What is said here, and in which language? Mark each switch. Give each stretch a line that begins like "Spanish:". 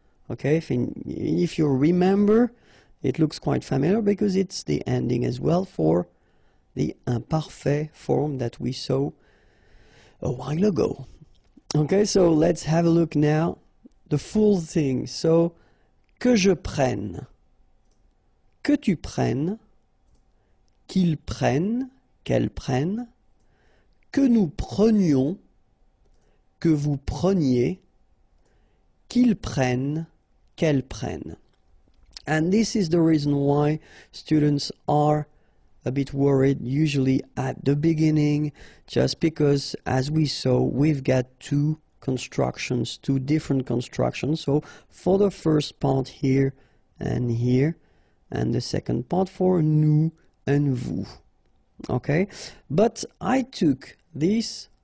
English: Okay, if you remember, it looks quite familiar because it's the ending as well for the imparfait form that we saw a while ago. Okay, so let's have a look now, the full thing.
French: So, que je prenne, que tu prennes, qu'il prenne, qu'elles prennent, que nous prenions, que vous preniez, qu'ils prennent, qu'elles prennent.
English: And this is the reason why students are a bit worried usually at the beginning, just because as we saw, we've got two constructions, two different constructions. So for the first part here and here, and the second part for nous and vous. Okay, but I took these